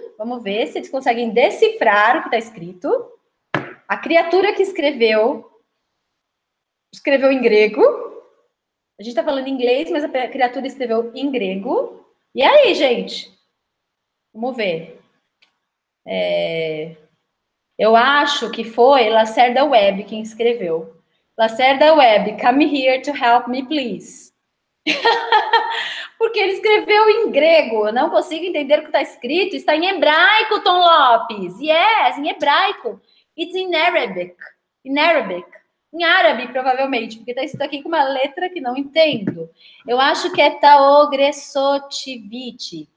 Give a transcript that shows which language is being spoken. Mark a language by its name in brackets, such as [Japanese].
[Portuguese] Vamos ver se eles conseguem decifrar o que está escrito. A criatura que escreveu, escreveu em grego. A gente está falando em inglês, mas a criatura escreveu em grego. E aí, gente? Vamos ver. É, eu acho que foi Lacerda Web quem escreveu. [English] Lacerda Web, come here to help me, please. [Portuguese] Porque ele escreveu em grego. Eu não consigo entender o que está escrito. Está em hebraico, [English] Tom Lopes. Yes, [Portuguese] em hebraico. [English] It's in Arabic. In Arabic. [Portuguese] Em árabe, provavelmente, porque está escrito aqui com uma letra que não entendo. Eu acho que é Taogressotivite.